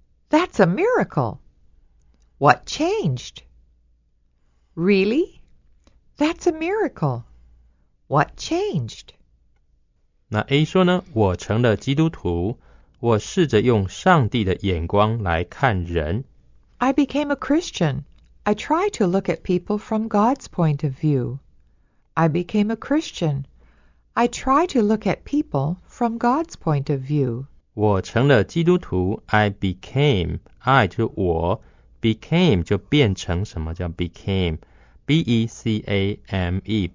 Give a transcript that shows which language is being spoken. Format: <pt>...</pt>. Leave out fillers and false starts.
<en>That's a miracle What changed? Really? That's a miracle What changed?</en> <zh>那 A 说呢我成了基督徒我试着用上帝的眼光来看人。</zh> <en>I became a Christian. I try to look at people from God's point of view. I became a Christian. I try to look at people from God's point of view.</en> <zh>我成了基督徒。</zh> <en>I became. I</en> <zh>就是我。 Became 就变成什么叫 became. B-E-C-A-M-E.</zh>